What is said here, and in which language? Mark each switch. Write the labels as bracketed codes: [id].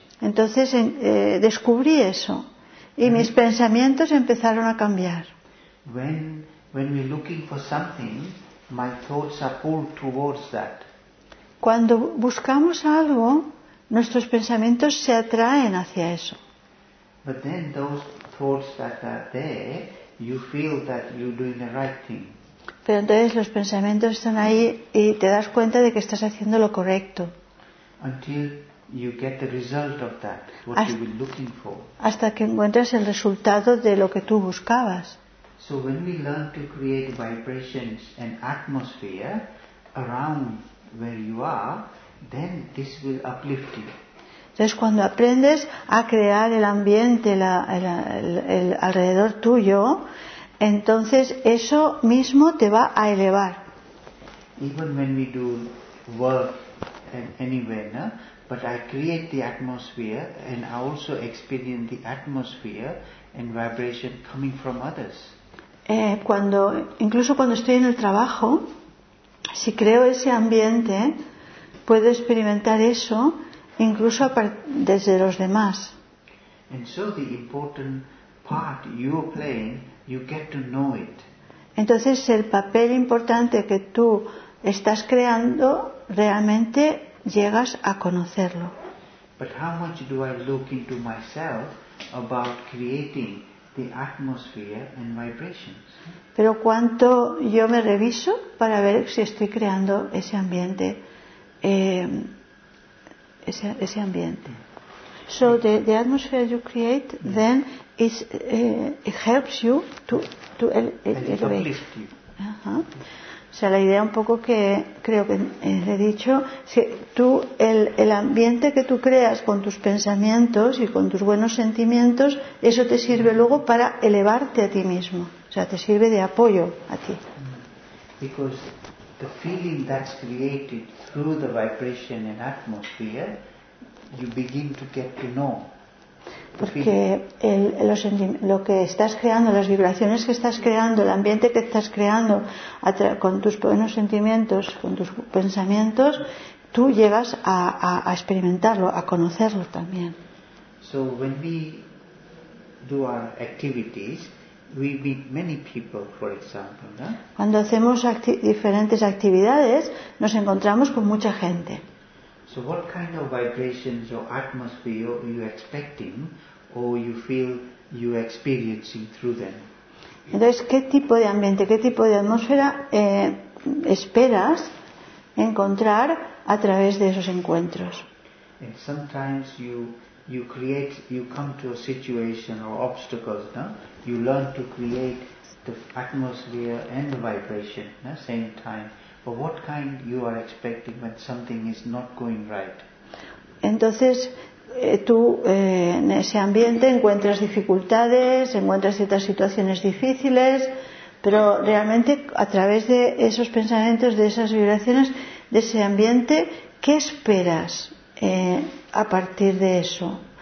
[es] Entonces descubrí eso y mis pensamientos empezaron a cambiar. [en] When we're looking for something, my thoughts are pulled towards that. [es] Cuando buscamos algo, nuestros pensamientos se atraen hacia eso. [en] But then those thoughts that are there, you feel that you're doing the right thing. [es] Pero entonces los pensamientos están ahí y te das cuenta de que estás haciendo lo correcto. [en] Until you get the result of that, what you were looking for. [es] Hasta que encuentras el resultado de lo que tú buscabas. [en] So when we learn to create vibrations and atmosphere around where you are, then this will uplift you. [es] Entonces, cuando aprendes a crear el ambiente el alrededor tuyo, entonces eso mismo te va a elevar. [en] Even when we do work anywhere, no? But I create the atmosphere and I also experience the atmosphere and vibration coming from others. [es] Incluso cuando estoy en el trabajo, si creo ese ambiente, puedo experimentar eso incluso desde los demás. [en] And so the important part you are playing, you get to know it. [es] Entonces el papel importante que tú estás creando, realmente llegas a conocerlo. [en] But how much do I look into myself about creating the atmosphere and vibrations? [es] Pero cuánto yo me reviso para ver si estoy creando ese ambiente. Ese ambiente. [en] So the atmosphere you create, yeah, then is it helps you to elevate. It uplifts you. [es] O sea, la idea un poco que creo que he dicho, si tú el ambiente que tú creas con tus pensamientos y con tus buenos sentimientos, eso te sirve luego para elevarte a ti mismo. O sea, te sirve de apoyo a ti. [en] Because the feeling that's created through the vibration and atmosphere, you begin to get to know. [es] Porque lo que estás creando, las vibraciones que estás creando, el ambiente que estás creando con tus buenos sentimientos, con tus pensamientos, tú llegas a experimentarlo, a conocerlo también. [en] So when we do our activities, we meet many people, for example, no? [es] Cuando hacemos diferentes actividades, nos encontramos con mucha gente. [en] So what kind of vibrations or atmosphere are you expecting or you feel you are experiencing through them? [es] Entonces, ¿qué tipo de ambiente, qué tipo de atmósfera esperas encontrar a través de esos encuentros? [en] And sometimes you come to a situation or obstacles, no? You learn to create the atmosphere and the vibration at the same time. But what kind you are expecting when something is not going right? [es] Entonces, tú en ese ambiente encuentras dificultades, encuentras ciertas situaciones difíciles, pero realmente a través de esos pensamientos, de esas vibraciones, de ese ambiente, ¿qué esperas a partir de eso?